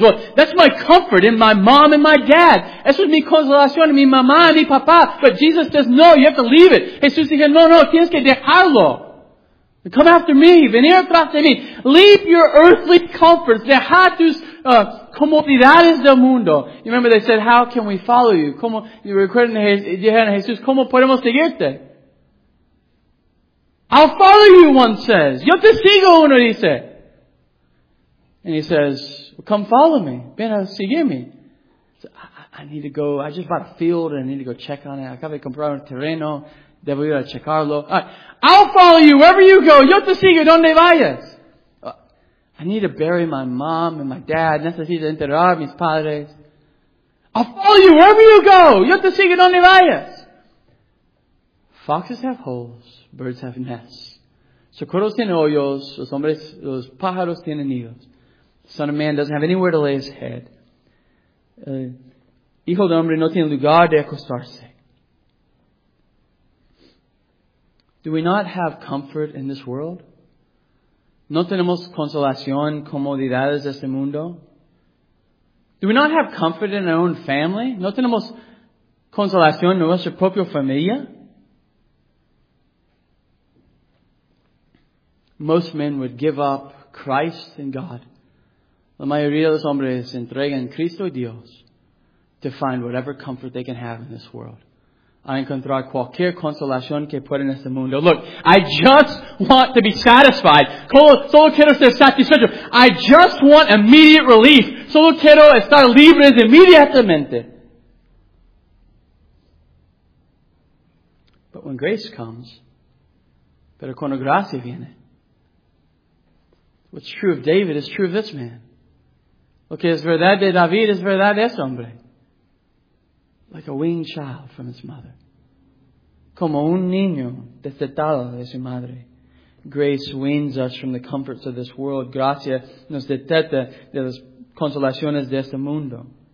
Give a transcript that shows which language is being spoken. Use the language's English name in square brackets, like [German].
[English] Well, that's my comfort in my mom and my dad. [Spanish] Eso es mi consolación en mi mamá y mi papá. [English] But Jesus says, no, you have to leave it. [Spanish] Jesús dice, no, no, tienes que dejarlo. [English] Come after me, [Spanish] venir tras de mí. [English] Leave your earthly comforts. [Spanish] Deja tus comodidades del mundo. [English] You remember they said, how can we follow you? [Spanish] ¿Cómo, [English] you were quoting [Spanish] Jesús, ¿cómo podemos seguirte? [English] I'll follow you, one says. [Spanish] Yo te sigo, uno dice. [English] And he says, well, come follow me. [Spanish] Ven a seguirme. [English] So, I need to go. I just bought a field and I need to go check on it. [Spanish] Acabo de comprar un terreno. Debo ir a checarlo. [English] I'll follow you wherever you go. [Spanish] Yo te sigo donde vayas. [English] I need to bury my mom and my dad. [Spanish] Necesito enterrar mis padres. [English] I'll follow you wherever you go. [Spanish] Yo te sigo donde vayas. [English] Foxes have holes. Birds have nests. [Spanish] Socorros tienen hoyos. Los hombres, los pájaros tienen nidos. [English] The son of man doesn't have anywhere to lay his head. [Spanish] Hijo de hombre no tiene lugar de acostarse. [English] Do we not have comfort in this world? [Spanish] ¿No tenemos consolación, comodidades de este mundo? [English] Do we not have comfort in our own family? [Spanish] ¿No tenemos consolación en nuestra propia familia? [English] Most men would give up Christ and God. [Spanish] La mayoría de los hombres entregan Cristo y Dios [English] to find whatever comfort they can have in this world. [Spanish] I encontrar cualquier consolación que pueda en este mundo. [English] Look, I just want to be satisfied. [Spanish] Solo quiero ser satisfecho. [English] I just want immediate relief. [Spanish] Solo quiero estar libres inmediatamente. [English] But when grace comes, [Spanish] pero cuando gracia viene, [English] what's true of David is true of this man. [Spanish] Lo que es verdad de David es verdad de ese hombre. [English] Like a weaned child from its mother. [Spanish] Como un niño destetado de su madre. [English] Grace weans us from the comforts of this world. [Spanish] Gracia nos deteta de las consolaciones de este mundo.